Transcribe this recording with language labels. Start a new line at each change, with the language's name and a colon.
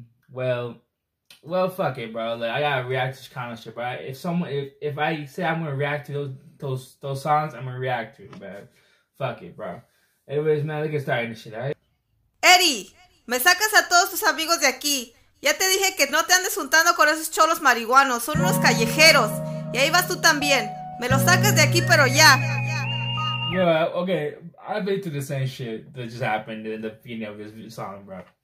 English: Well, fuck it, bro. Like, I gotta react to this kind of shit, bro. If I say I'm gonna react to those songs, I'm gonna react to it, man. Fuck it, bro. Anyways, man, let's get started this shit, alright?
Spanish: Eddy, me sacas a todos tus amigos de aquí. Ya te dije que no te andes juntando con esos cholos marihuanos. Son unos callejeros. Y ahí vas tú también. Me los sacas de aquí, pero ya.
English: Yeah, okay. I've been through the same shit that just happened in the beginning of this song, bro.